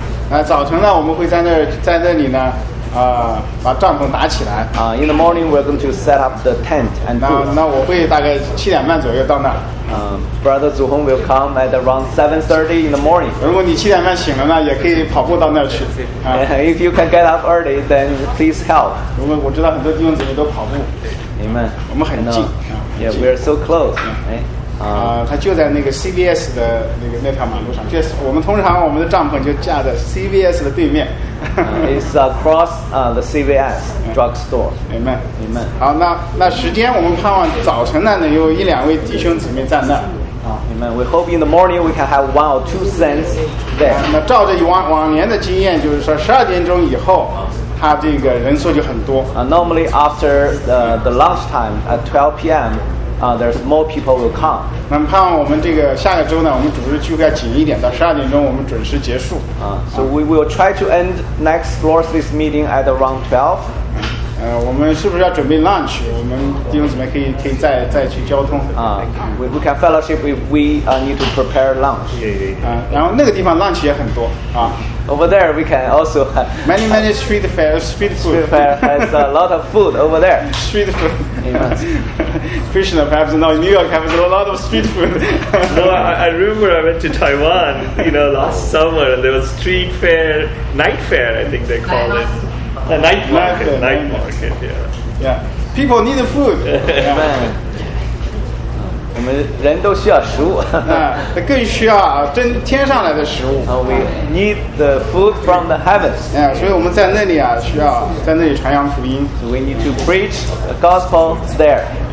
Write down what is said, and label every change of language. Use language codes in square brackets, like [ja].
[zh] 那早晨呢，我们会在那里呢。把帐篷搭起来。 [en] In the morning, we're going to set up the tent and booth. [zh] 那我会大概7点半左右到那儿。 [en] Brother Zhu Hong will come at around 7:30 in the morning. [zh] 如果你七点半醒了呢，也可以跑步到那儿去。 [en] If you can get up early, then please help. [zh] 因为我知道很多弟兄姊妹都跑步。 [en] Amen. [zh] 我们很近。 [en] Yeah, we're so close. [zh] 它就在那个 CVS 的那条马路上。就是我们通常我们的帐篷就架在 CVS 的对面。 [en] It's across the CVS drugstore. Amen. Amen. [zh] 好，那时间我们盼望早晨呢，能有一两位弟兄姊妹在那。 [en] Amen. We hope in the morning we can have one or two saints there. [zh] 那照着往年的经验，就是说12点钟以后，他这个人数就很多。 [en] Normally after the lunch time at 12 p.m. There's more people will come. [zh] 那么盼望我们这个下个周呢，我们主日聚会紧一点，到12点钟我们准时结束。 [en] So we will try to end next Lord's Day meeting at around 12. [zh] 我们是不是要准备 lunch？我们弟兄姊妹可以再去交通。 [en] We can fellowship if we need to prepare lunch. [zh] 然后那个地方 lunch 也很多啊。 [en] Over there, we can also have many street fair, street food. Street fair has a lot of food over there. Street food. Amen. Krishna, perhaps now in New York, has a lot of street food. No, I remember I went to Taiwan, last summer, and there was street fair, night fair, I think they call it. The night market. Night market, yeah. People need food. Amen. Yeah. [zh] 我们人都需要食物，那更需要真天上来的食物。 [en] We need the food from the heavens. [zh] 所以我们在那里需要在那里传扬福音。 [en] So、we need to preach the gospel there.